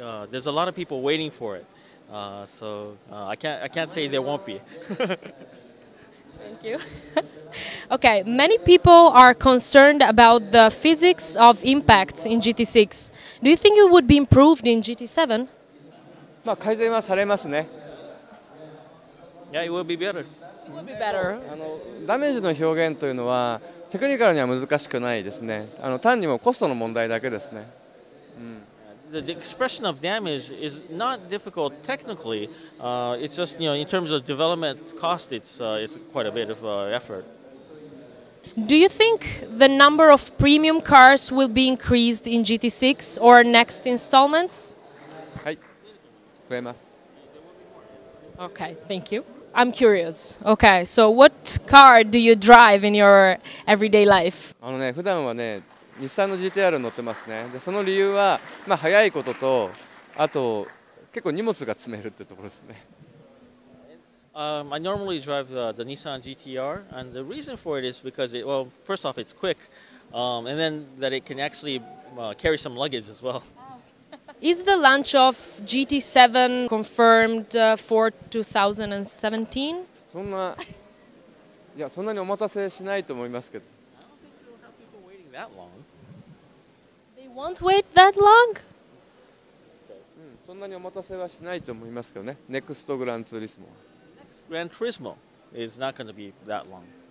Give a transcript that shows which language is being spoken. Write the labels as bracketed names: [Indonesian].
[English] There's a lot of people waiting for it, so I can't say there won't be. Thank you. Okay, many people are concerned about the physics of impact in GT6. Do you think it would be improved in GT7? [Japanese] まあ改善はされますね。 [English] Yeah, it will be better. It will be better. [Japanese] ダメージの表現というのはテクニカルには難しくないですね。単にもコストの問題だけですね。 [English] The expression of damage is not difficult technically. It's just, in terms of development cost, it's quite a bit of effort. Do you think the number of premium cars will be increased in GT6 or next installments? [Japanese] はい。増えます。 [English] Okay, thank you. I'm curious. Okay, so what car do you drive in your everyday life? [Japanese] あのね、普段はね、日産のGTR乗ってますね。で、その理由は、まあ早いことと、あと結構荷物が詰めるってところですね。I [English] normally drive the Nissan GTR, and the reason for it is because first off, it's quick, and then that it can actually carry some luggage as well. Is the launch of GT7 confirmed for 2017? [Japanese] そんなにお待たせしないと思いますけど。 [English] I don't think we'll have people waiting that long. They won't wait that long? [Japanese] そんなにお待たせはしないと思いますけどね。 [English] Next Gran Turismo. Next Gran Turismo is not going to be that long.